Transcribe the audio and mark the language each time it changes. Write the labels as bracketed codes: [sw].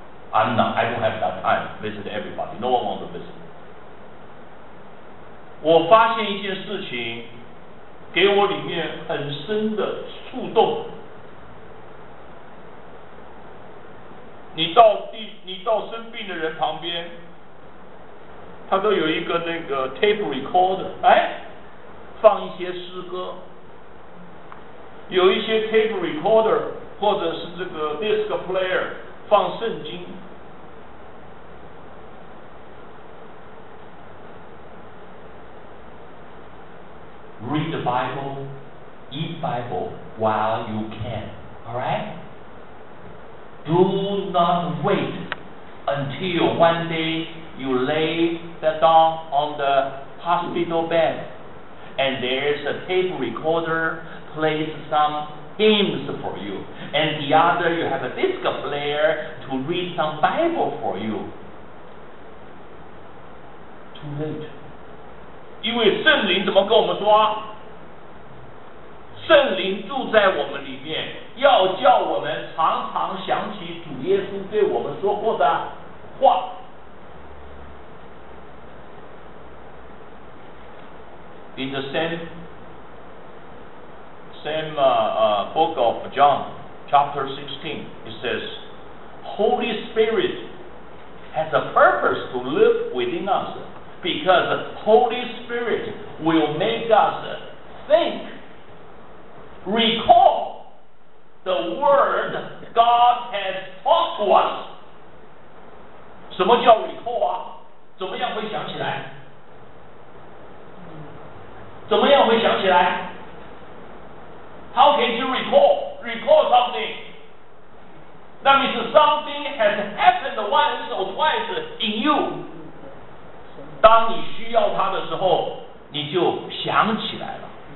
[en] I'm not, I don't have that time to visit everybody. No one wants to visit. [zh] 我发现一件事情给我里面很深的触动。你到生病的人旁边，他都有一个那个 tape recorder， 哎，放一些诗歌，有一些 tape recorder 或者是这个 disc player 放圣经。 [en] Read the Bible, eat Bible while you can. All right. Do not wait until one day you lay that down on the hospital bed, and there's a tape recorder plays some hymns for you, and the other you have a disc player to read some Bible for you. Too late. [zh] 因为圣灵怎么跟我们说？圣灵住在我们里面，要叫我们常常想起主耶稣对我们说过的话。 [en] In the same book of John, chapter 16, it says, Holy Spirit has a purpose to live within us. Because the Holy Spirit will make us think, recall the word God has taught to us. [zh] 什么叫 recall 啊？怎么样会想起来？怎么样会想起来？ [en] How can you recall? Recall something. That means something has happened once or twice in you. [zh] 当你需要它的时候，你就想起来了。